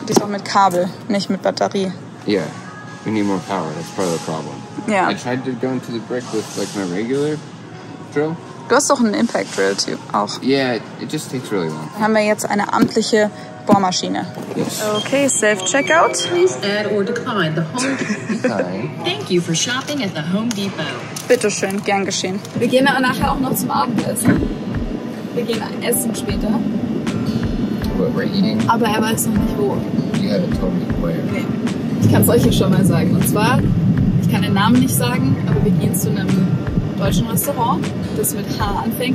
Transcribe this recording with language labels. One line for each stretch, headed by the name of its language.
German: die ist auch mit Kabel, nicht mit Batterie.
English: Yeah, we need more power, that's part of the problem. Yeah. I tried to go into the brick with like my regular drill.
German: Du hast doch einen Impact Drill Tube auch.
English: Yeah, it just takes really long.
German: Dann haben wir jetzt eine amtliche Bohrmaschine.
English: Yes. Okay, self-checkout. Please add or decline the Home Depot. Thank you for shopping at the Home Depot.
German: Bitteschön, gern geschehen. Wir gehen aber nachher auch noch zum Abendessen. Wir gehen essen später.
English: What we're eating.
German: Aber er weiß noch nicht wo.
English: You haven't told me where. Okay.
German: Ich kann es euch hier schon mal sagen. Und zwar, ich kann den Namen nicht sagen, aber wir gehen zu einem deutschen Restaurant, das mit H anfängt.